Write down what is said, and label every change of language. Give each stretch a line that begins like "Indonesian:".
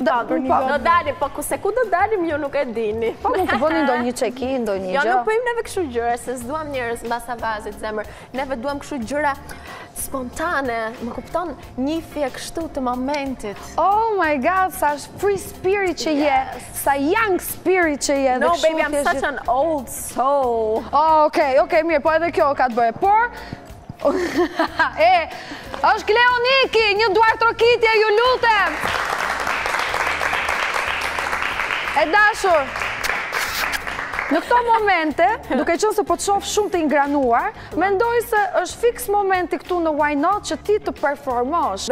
Albanian: Da, po, do dalim, po kuse ku do dalim, ju nuk e dini. Po, mund të bëni ndo një qeki, ndo një gjë. Jo, nuk pëjmë neve këshu gjëra, se zduam njërës në basa vazit zemër, neve duam këshu gjëra spontane, më kupton një fje kështu të momentit.
English: Oh my god, sa free spirit
Albanian: që je,
English: sa young spirit që je. No, baby, I'm such an old soul.
Albanian: Okej, okej, mirë, po edhe kjo ka të bëje, por... E, është Kleoniki, një duar trokitje, ju lutem! E dashur, në këto momente, duke qënë se po të shofë shumë të ingranuar, me ndoj se është fix momenti këtu në Why Not që ti të performosh.